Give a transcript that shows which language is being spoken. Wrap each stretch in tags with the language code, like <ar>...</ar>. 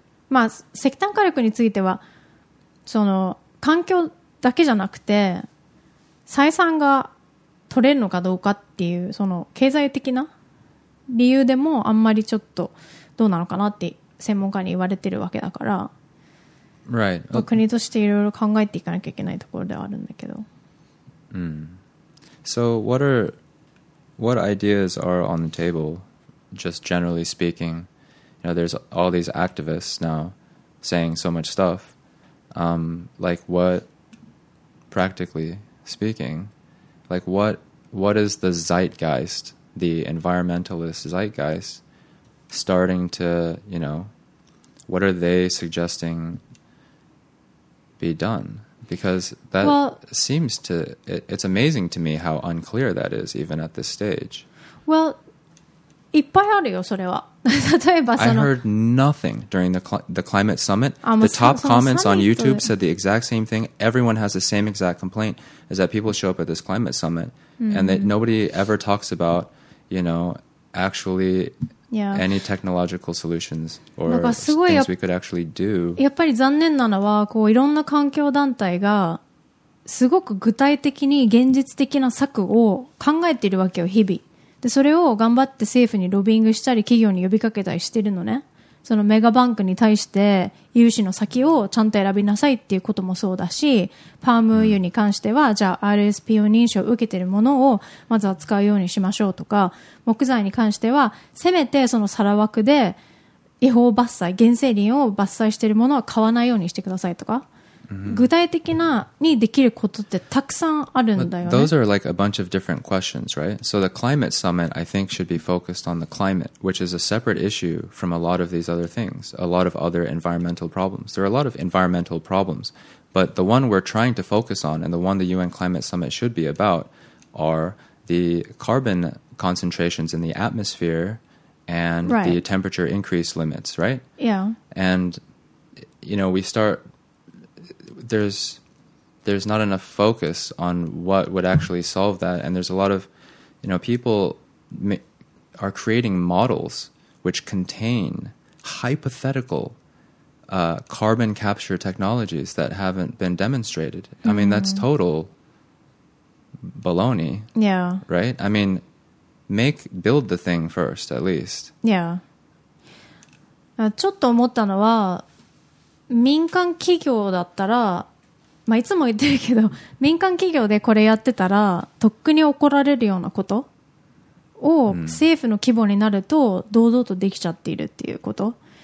<ja>まあ石炭火力についてはその環境だけじゃなくて採算が取れるのかどうかっていうその経済的な理由でもあんまりちょっとどうなのかなって専門家に言われてるわけだから、</ja> <en>Right.</en> <ja>国としていろいろ考えていかなきゃいけないところではあるんだけど。 Mm.</ja> <en>So what ideas are on the table, just generally speaking? You know, there's all these activists now saying so much stuff. Like what, practically speaking, like what is the zeitgeist, the environmentalist zeitgeist, starting to, you know, what are they suggesting? Be done, because that well, seems to it, it's amazing to me how unclear that is even at this stage. Well,</en> <ja>いっぱいあるよそれは。例えばその</ja> <en>I heard nothing during the climate summit. The top comments on YouTube said the exact same thing. Everyone has the same exact complaint, is that people show up at this climate summit and that nobody ever talks about, you know, actually any technological solutions or things we could actually do.</en> <ja>やっぱり残念なのはこういろんな環境団体がすごく具体的に現実的な策を考えているわけよ日々。でそれを頑張って政府にロビングしたり企業に呼びかけたりしてるのね。そのメガバンクに対して融資の先をちゃんと選びなさいっていうこともそうだし、パーム油に関してはじゃあ RSPO 認証を受けているものをまずは使うようにしましょうとか、木材に関してはせめてそのサラワクで違法伐採、原生林を伐採しているものは買わないようにしてくださいとか、具体的なにできることってたくさんあるんだよね。</ja> <en>Those are like a bunch of different questions, right? So the climate summit, I think, should be focused on the climate, which is a separate issue from a lot of these other things, a lot of other environmental problems. There are a lot of environmental problems, but the one we're trying to focus on and the one the UN Climate Summit should be about are the carbon concentrations in the atmosphere and the temperature increase limits, right? Yeah. And, you know, we start... There's not enough focus on what would actually solve that, and there's a lot of, you know, people are creating models which contain hypothetical carbon capture technologies that haven't been demonstrated. I mean, that's total baloney. Yeah. Right? I mean, build the thing first, at least. Yeah.</en> <ja>ちょっと思ったのは、民間企業だったら、まあ、いつも言ってるけど民間企業でこれやってたらとっくに怒られるようなことを政府の規模になると堂々とできちゃっているっていうこと。</ja>